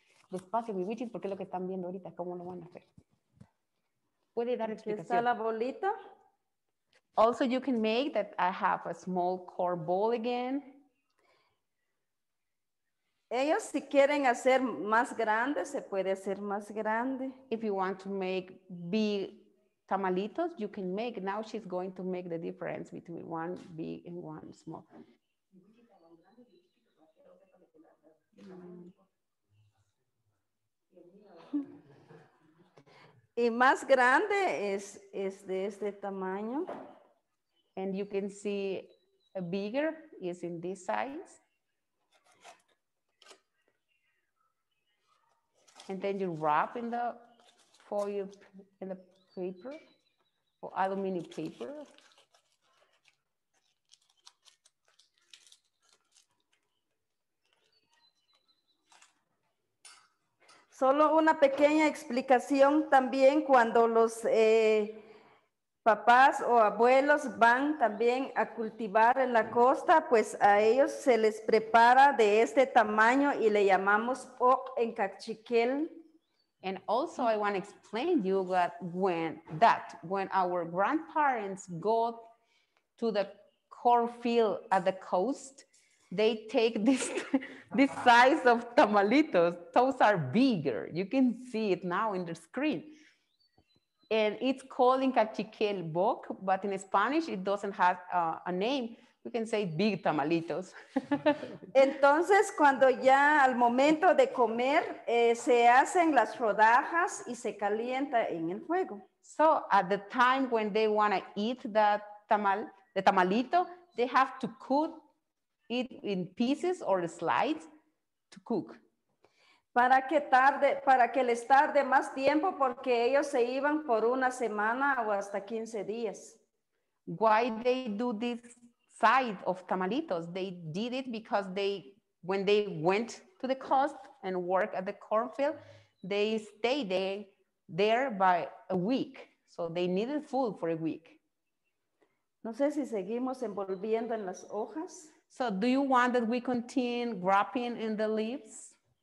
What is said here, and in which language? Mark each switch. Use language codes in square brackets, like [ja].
[es] Despacio, mi witchy, porque lo que están viendo ahorita, ¿cómo lo van a hacer? ¿Puede dar explicación? ¿Está la bolita? [en] Also, you can make that I have a small corn bowl again. [es] Ellos si quieren hacer más grande, se puede hacer más grande. [en] If you want to make big tamalitos, you can make. Now she's going to make the difference between one big and one small. [es] Y más grande es de este tamaño. [en] And you can see a bigger is in this size. And then you wrap in the foil, in the paper, or aluminum paper. So [es] Solo una pequeña explicación también cuando los papás o abuelos van también a cultivar en la costa, pues a ellos se les prepara de este tamaño y le llamamos oc en cachiquel. [en] And also I want to explain to you that when our grandparents go to the cornfield at the coast, they take this size of tamalitos. Those are bigger. You can see it now in the screen. And it's called in cachiquel boc, but in Spanish it doesn't have a name. We can say big tamalitos. [es] Entonces, cuando ya al momento de comer, se hacen las rodajas y se calienta en el fuego. [en] So at the time when they want to eat the tamalito, they have to cook it in pieces or slides to cook. [es] Para que les tarde más tiempo porque ellos se iban por una semana o hasta 15 días. [en] Why they do this side of tamalitos? They did it because when they went to the coast and work at the cornfield, they stayed there by a week. So they needed food for a week. [es] No sé si seguimos envolviendo en las hojas. [en] So do you want that we continue wrapping in the leaves?